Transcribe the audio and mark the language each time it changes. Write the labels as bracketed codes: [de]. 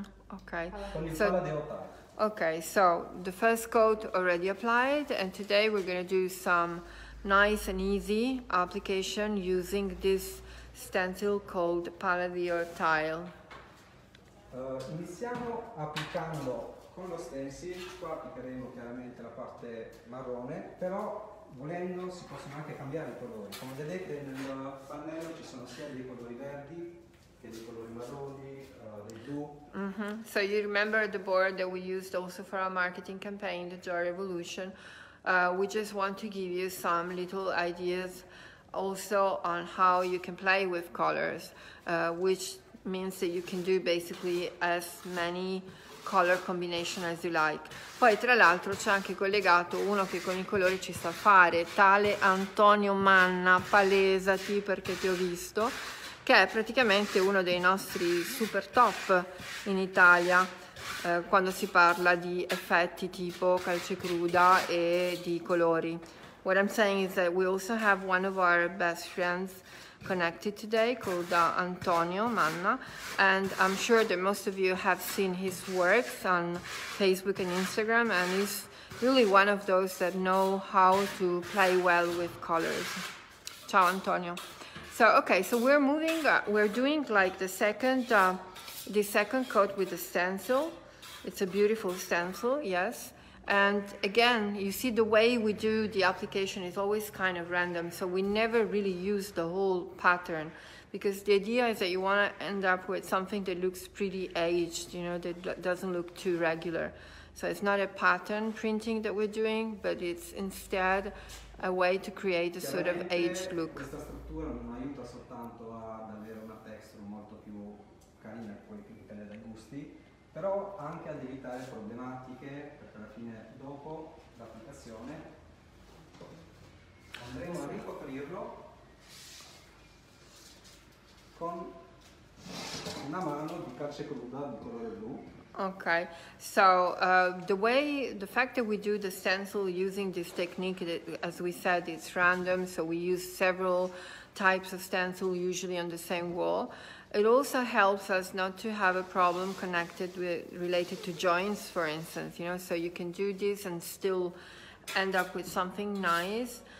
[en] Okay, so the first coat already applied, and today we're going to do some nice and easy application using this stencil called Paladior Tile. [it] Iniziamo applicando con lo stencil, qua applicheremo chiaramente la parte marrone, però volendo si possono anche cambiare I colori. Come vedete nel pannello ci sono sia dei colori verdi che dei colori marroni, dei blu. [en] So you remember the board that we used also for our marketing campaign, the Joy Revolution. We just want to give you some little ideas also on how you can play with colors, which means that you can do basically as many color combination as you like. [it] Poi tra l'altro c'è anche collegato uno che con I colori ci sa fare, tale Antonio Manna, palesati perché ti ho visto, che è praticamente uno dei nostri super top in Italia. Quando si parla di effetti tipo calce cruda e di colori. [en] What I'm saying is that we also have one of our best friends connected today called Antonio Manna, and I'm sure that most of you have seen his works on Facebook and Instagram, and he's really one of those that know how to play well with colors. [it] Ciao Antonio. [en] So okay, so we're moving, we're doing like the second coat with the stencil. It's a beautiful stencil, yes. And again, you see the way we do the application is always kind of random. So we never really use the whole pattern because the idea is that you want to end up with something that looks pretty aged, you know, that doesn't look too regular. So it's not a pattern printing that we're doing, but it's instead a way to create a sort of aged look. [it] Questa struttura non aiuta soltanto ad avere una texture molto più carina, poi più pelle da gusti, però anche ad evitare problematiche, perché alla fine dopo l'applicazione andremo a ricoprirlo con una mano di calce cruda di colore blu. [en] Okay, so the fact that we do the stencil using this technique, that, as we said, it's random, so we use several types of stencil usually on the same wall. It also helps us not to have a problem connected with, related to joints, for instance, you know, so you can do this and still end up with something nice.